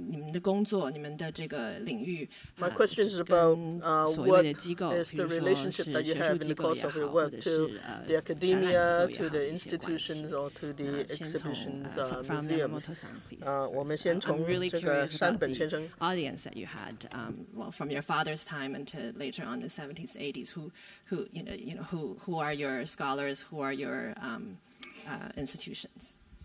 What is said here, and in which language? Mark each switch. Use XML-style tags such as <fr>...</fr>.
<zh>我的问题是关于你们的工作，你们的这个领域。</zh> <en>My question is about what is the relationship that you have in the course of your work to the academia, to the institutions, or to the exhibitions, museums?</en> <zh>我们先从这个山本先生。</zh> <en>Audience that you had, from your father's time until later on in the 70s, 80s, who are your scholars, who are your institutions?</en>